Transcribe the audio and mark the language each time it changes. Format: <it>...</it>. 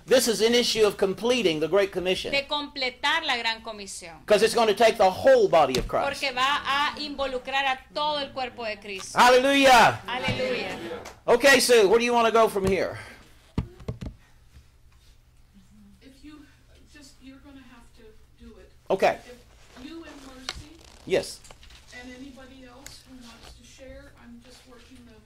<en>This is an issue of completing the Great Commission.</en> <es>De completar la Gran Comisión.</es> <en>Because it's going to take the whole body of Christ.</en> <es>Porque va a involucrar a todo el cuerpo de Cristo.</es> <en>Hallelujah. Hallelujah. Okay, Sue, where do you want to go from here? Okay. If you and Mercy. Yes. And anybody else who wants to share, I'm just working the.</en>